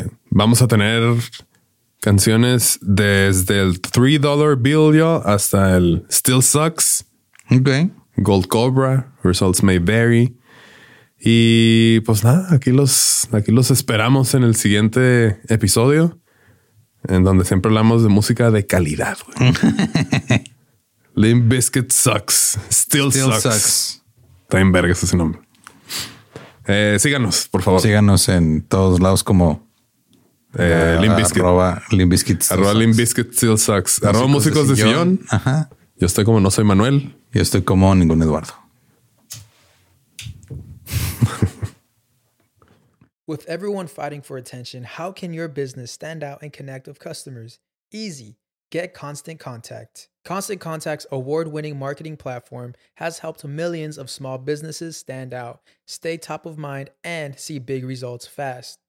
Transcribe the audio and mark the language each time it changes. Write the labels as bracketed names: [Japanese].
[Spanish] Vamos a tener canciones desde el $3 Bill, y'all, hasta el Still Sucks. Ok. Gold Cobra, Results May Vary. Y pues nada, aquí los esperamos en el siguiente episodio, en donde siempre hablamos de música de calidad. Limp Bizkit Sucks. Still sucks. Está en verga ese nombre. Síganos, por favor. Síganos en todos lados como Limp Bizkit. Arroba Limp Bizkit. Arroba Limp Bizkit Still Sucks. Arroba Músicos de Sillón. Yo estoy como No Soy Manuel. Yo estoy como Ningún Eduardo. [English] With everyone fighting for attention, how can your business stand out and connect with customers? Easy. Get Constant Contact. Constant Contact's award-winning marketing platform has helped millions of small businesses stand out, stay top of mind, and see big results fast.